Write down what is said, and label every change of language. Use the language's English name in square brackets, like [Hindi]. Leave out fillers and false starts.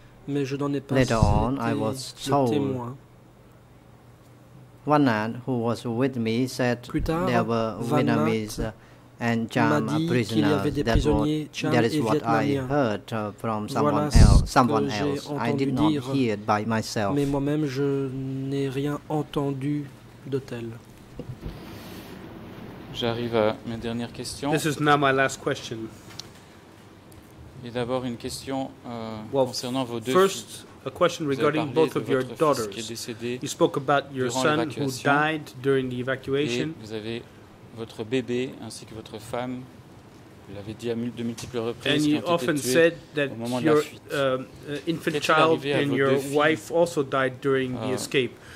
[English] Later on, I was told one man who was with me said there were Vietnamese and Cham prisoners. That is what I heard from someone else. I did not hear it by myself. [French] Mais moi-même, je n'ai rien entendu de tel. J'arrive à mes dernières questions. [English] This is now my last question. [French] Et d'abord une question concernant vos deux [English] first, [French] filles. [English] First, a question regarding both of your daughters. [French] Vous avez parlé de votre fils qui est décédé durant [English] who died during the evacuation. [French] Et vous avez votre bébé ainsi que votre femme. Vous l'avez dit à de multiples reprises. [English] And you often said that your infant child and your wife also died during the escape.